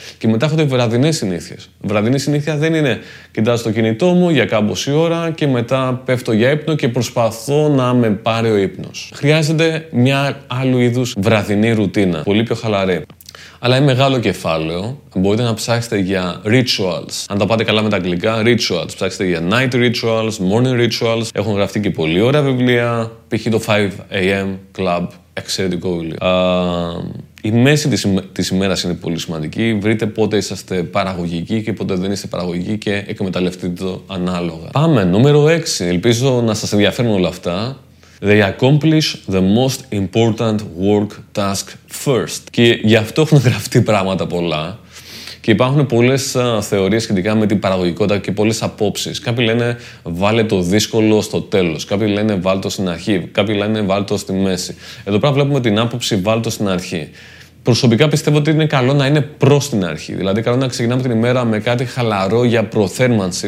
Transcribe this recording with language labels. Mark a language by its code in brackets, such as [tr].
[el] Και μετά έχονται βραδινές συνήθειες. Βραδινή συνήθεια δεν είναι κοιτάζω το κινητό μου για κάμποση ώρα και μετά πέφτω για ύπνο και προσπαθώ να με πάρει ο ύπνος. Χρειάζεται μια άλλου είδους βραδινή ρουτίνα, πολύ πιο χαλαρή. Αλλά είναι μεγάλο κεφάλαιο. Μπορείτε να ψάξετε για rituals. Αν τα πάτε καλά με τα αγγλικά, rituals. Ψάξετε για night rituals, morning rituals. Έχουν γραφτεί και πολύ ωραία βιβλία. Π.χ. το 5 AM Club. Εξαιρετικό βιβλίο. Η μέση της ημέρας είναι πολύ σημαντική. Βρείτε πότε είσαστε παραγωγικοί και πότε δεν είστε παραγωγικοί και εκμεταλλευτείτε το ανάλογα. Πάμε, νούμερο 6. Ελπίζω να σας ενδιαφέρουν όλα αυτά. [en] They accomplish the most important work task first. [el] Και γι' αυτό έχουν γραφτεί πράγματα πολλά. Και υπάρχουν πολλές θεωρίες σχετικά με την παραγωγικότητα και πολλές απόψεις. Κάποιοι λένε βάλε το δύσκολο στο τέλος. Κάποιοι λένε βάλε το στην αρχή. Κάποιοι λένε βάλε το στη μέση. Εδώ πέρα βλέπουμε την άποψη βάλε το στην αρχή. Προσωπικά πιστεύω ότι είναι καλό να είναι προς την αρχή. Δηλαδή, καλό να ξεκινάμε την ημέρα με κάτι χαλαρό για προθέρμανση.